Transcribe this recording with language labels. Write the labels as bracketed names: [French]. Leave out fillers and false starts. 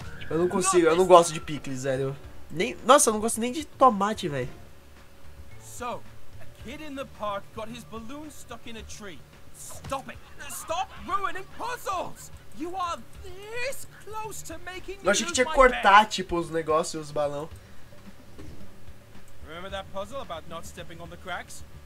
[Portuguese] Eu não consigo, eu não gosto de picles, velho. Nem, nossa, eu não gosto nem de tomate, velho. [English] So, a kid in the park got his balloon stuck in a tree. Stop it! Stop ruining puzzles! You are this close to making [Portuguese] me. Eu achei que tinha que cortar, tipo, os negócios e os balão. [English] Remember that puzzle about not stepping on the cracks?